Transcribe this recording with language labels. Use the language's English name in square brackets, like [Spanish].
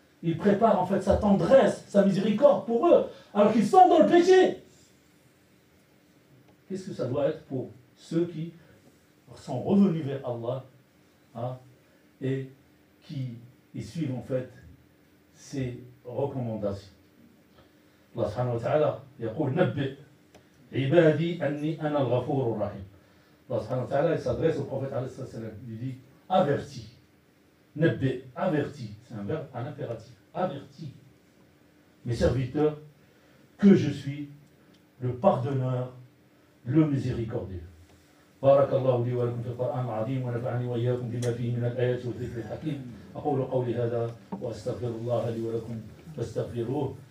[French] Il prépare en fait sa tendresse, sa miséricorde pour eux, alors qu'ils sont dans le péché. Qu'est-ce que ça doit être pour ceux qui sont revenus vers Allah et qui y suivent en fait ses recommandations? [Arabic] الله سبحانه وتعالى يقول نبئ عبادي أني أنا الغفور الرحيم. [French] الله سبحانه وتعالى s'adresse au prophète عليه الصلاة والسلام. Il dit averti. نبئ averti. C'est un verbe, un impératif. Averti. Mes serviteurs, que je suis le pardonneur, le miséricordieux. [Arabic] بارك الله لي ولكم في القرآن العظيم ونفعني وإياكم بما فيه من الآيات والذكر الحكيم. أقول قولي هذا وأستغفر الله لي ولكم فاستغفروه.